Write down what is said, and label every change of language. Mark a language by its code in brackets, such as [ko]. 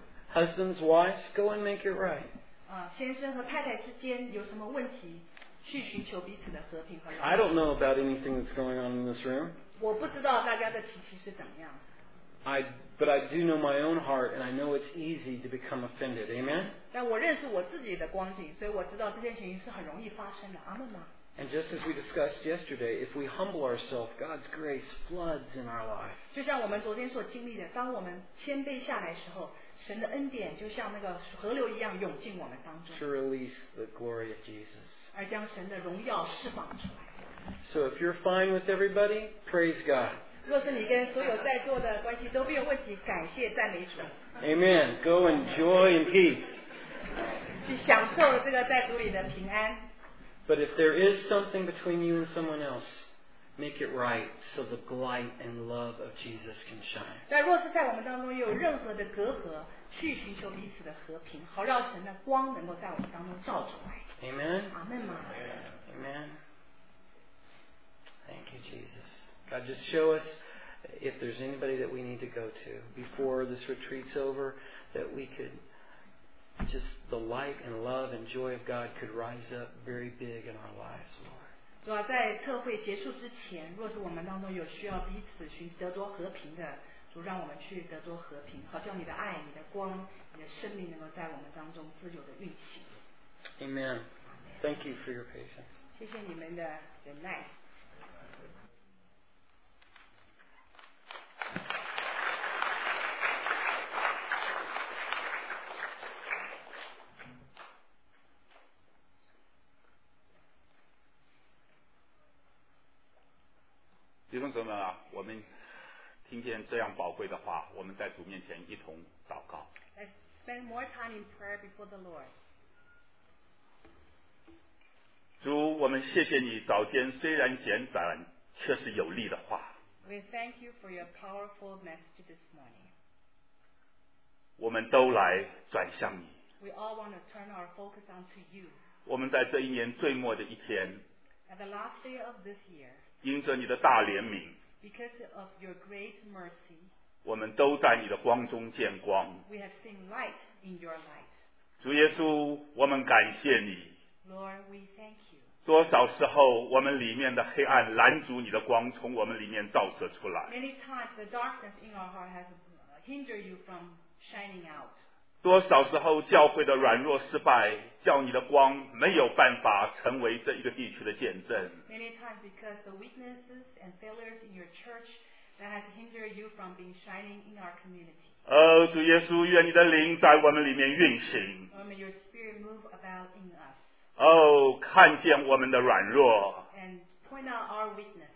[en] Husbands, wives, go and make it right. [zh] 先生和太太之间有什么问题，去寻求彼此的和平和。 [en] I don't know about anything that's going on in this room. [zh] 我不知道大家的情形是怎么样。 [en] But I do know my own heart, and I know it's easy to become offended. Amen. [zh] 但我认识我自己的光景，所以我知道这件事情是很容易发生的。阿门吗？ [en] And just as we discussed yesterday, if we humble ourselves, God's grace floods in our life. [zh] 就像我们昨天所经历的，当我们谦卑下来的时候。神的恩典就像那个河流一样涌进我们当中 [en] to release the glory of Jesus. [zh] 而将神的荣耀释放出来 [en] So if you're fine with everybody, praise God. [zh] 若是你跟所有在座的关系都没有问题感谢赞美主 [en] Amen. Go enjoy in peace. [zh] 去享受这个在主里的平安 [en] But if there is something between you and someone else,Make it right so the light and love of Jesus can shine. [zh] 但若是在我们当中有任何的隔阂，去寻求彼此的和平，好让神的光能够在我们当中照出来。 [en] Amen. Amen. Amen. Thank you, Jesus. God, just show us if there's anybody that we need to go to before this retreat's over, that we could just the light and love and joy of God could rise up very big in our lives, Lord. [zh] 主啊，在特会结束之前，若是我们当中有需要彼此寻得着和平的，主让我们去得着和平，好像你的爱、你的光、你的生命能够在我们当中自由的运行。 [en] Amen. Thank you for your patience. [zh] 谢谢你们的忍耐。弟兄姊妹们啊，我们听见这样宝贵的话，我们在主面前一同祷告。 [en] Let's spend more time in prayer before the Lord. [zh] 主，我们谢谢你早间虽然简短，却是有力的话。 [en] We thank you for your powerful message this morning. [zh] 我们都来转向你。 [en] We all want to turn our focus onto you. [zh] 我们在这一年最末的一天。 [en] At the last day of this year. [zh] 因着你的大怜悯 [en] Because of your great mercy, [zh] 我们都在你的光中见光 [en] We have seen light in your light. [zh] 主耶稣我们感谢你 [en] Lord, we thank you. [zh] 多少时候我们里面的黑暗拦阻你的光从我们里面照射出来 [en] Many times the darkness in our heart has hindered you from shining out. [zh] 多少时候教会的软弱失败叫你的光没有办法成为这一个地区的见证。 [en] Many times because the weaknesses and failures in your church that has hindered you from being shining in our community. [zh] 主耶稣，愿你的灵在我们里面运行。 [en] May your spirit move about in us. [zh] 看见我们的软弱。 [en] And point out our weakness.